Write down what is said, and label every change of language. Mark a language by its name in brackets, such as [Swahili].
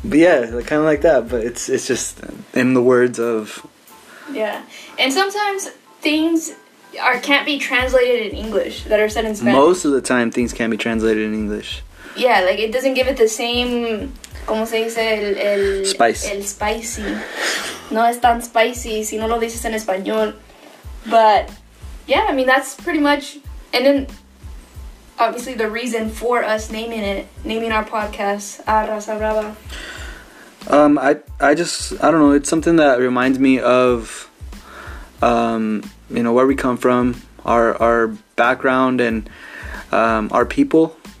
[English] But yeah, like, kind of like that, but it's just in the words of... Yeah, and sometimes things can't be translated in English that are said in Spanish. Most of the time, things can't be translated in English. Yeah, like, it doesn't give it the same... [Spanish] ¿Cómo se dice? El [English] spice. [Spanish] El spicy. No es tan spicy si no lo dices en español. [English] But, yeah, I mean, that's pretty much... And then... Obviously, the reason for us naming our podcast, Arrasa Brava. I don't know. It's something that reminds me of, you know, where we come from, our background, and our people.